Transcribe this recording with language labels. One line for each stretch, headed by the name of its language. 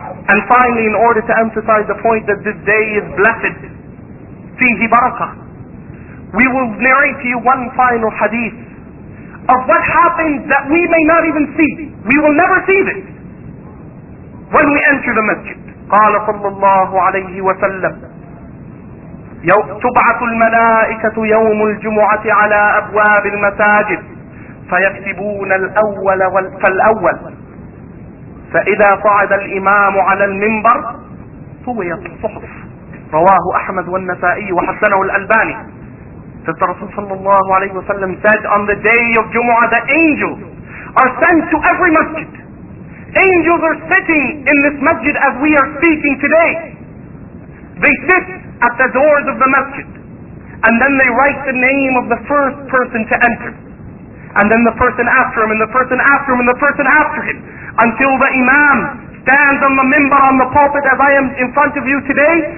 English: And finally, in order to emphasize the point that this day is blessed, fihi barakah, we will narrate to you one final hadith of what happens that we may not even see. We will never see this when we enter the masjid.
Arabic: قال صلى الله عليه وسلم تبعث الملائكة يوم الجمعة على أبواب المساجد فيكتبون الأول فالأول فإذا صعد الإمام على المنبر طويت الصحف. رواه أحمد والنسائي وحسنه الألباني.
English: That the Rasul sallallahu alayhi wa sallam said, on the day of Jumu'ah, the angels are sent to every masjid. Angels are sitting in this masjid as we are speaking today. They sit at the doors of the masjid, and then they write the name of the first person to enter, and then the person after him, and the person after him, and the person after him, until the imam stands on the minbar, on the pulpit, as I am in front of you today.